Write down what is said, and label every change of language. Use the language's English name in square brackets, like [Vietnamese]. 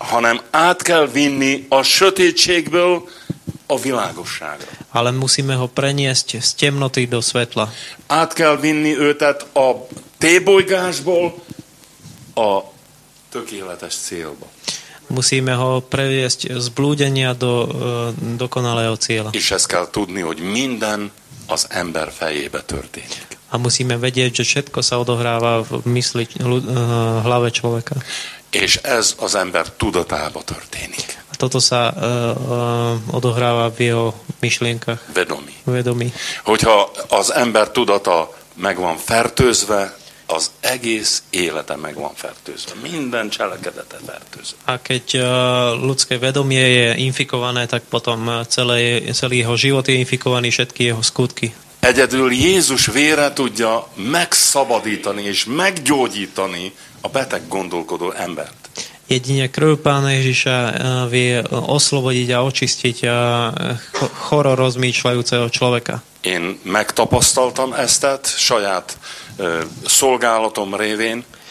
[Hungarian] Hanem át kell vinni a sötétségből a világosságra. [Slovak] Ale musíme ho preniesť z temnoty do svetla. [Hungarian] Át kell vinni őtet a tébolygásból a tökéletes célba. [Slovak] Musíme ho previesť z blúdenia do dokonalého cieľa. [Hungarian] És ezt kell tudni, hogy minden az ember fejébe történik. [Slovak] A musíme vedieť, že všetko sa odohráva v mysli, hlave človeka. [Hungarian] És ez az ember tudatába történik. [Slovak] A toto sa odohráva v jeho myšlienkach. Vedomí. [Hungarian] Hogyha az ember tudata megvan fertőzve, az egész élete megvan fertőzve. Minden cselekedete fertőzve. [Slovak] A keď ľudské vedomie je infikované, tak potom celý jeho život je infikovaný, všetky jeho skutky. [Hungarian] Egyedül Jézus vére tudja megszabadítani és meggyógyítani a beteg gondolkodó embert. [Slovak] Jedine krv Pána Ježiša vie oslobodiť a očistiť a choro rozmýšľajúceho človeka. [Hungarian] Én megtapasztaltam eztet saját szolgálatom révén.